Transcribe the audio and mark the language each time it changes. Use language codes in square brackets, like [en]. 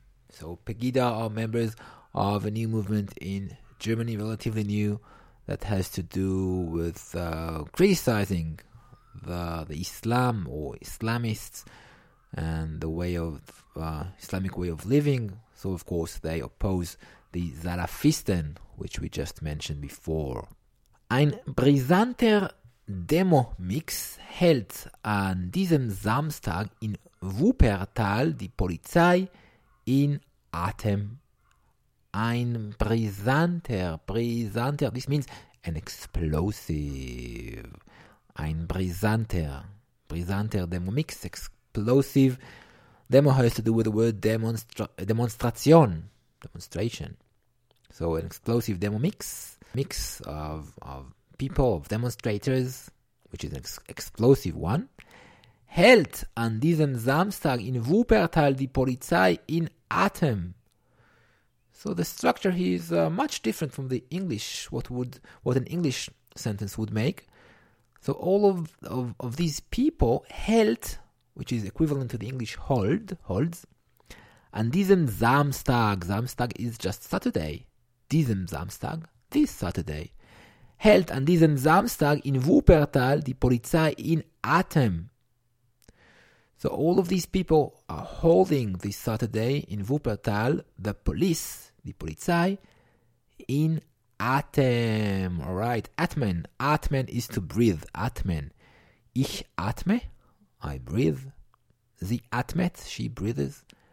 [en] So Pegida are members of a new movement in Germany, relatively new, that has to do with criticizing the Islam or Islamists and the way of Islamic way of living. So of course they oppose the Salafisten, which we just mentioned before. [de] Ein Brisanter Demo Mix hält an diesem Samstag in Wuppertal die Polizei in Atem. Ein Brisanter, [en] this means an explosive. [de] Ein Brisanter Demo Mix, explosive. [en] Demo has to do with the word demonstration. So an explosive demo mix of people, of demonstrators, which is an explosive one. [de] Hält an diesem Samstag in Wuppertal die Polizei in Atem. [en] So the structure here is much different from the English, what an English sentence would make. So all of these people hält, which is equivalent to the English holds, [de] an diesem Samstag. [en] Samstag is just Saturday. [de] Diesem Samstag, [en] this Saturday. [de] Hält an diesem Samstag in Wuppertal die Polizei in Atem. [en] So all of these people are holding this Saturday in Wuppertal the police. [de] Die Polizei in Atem. [en] All right, Atmen. Atmen is to breathe. Atmen. [de] Ich atme. [en] I breathe. [de] Sie atmet. [en] She breathes.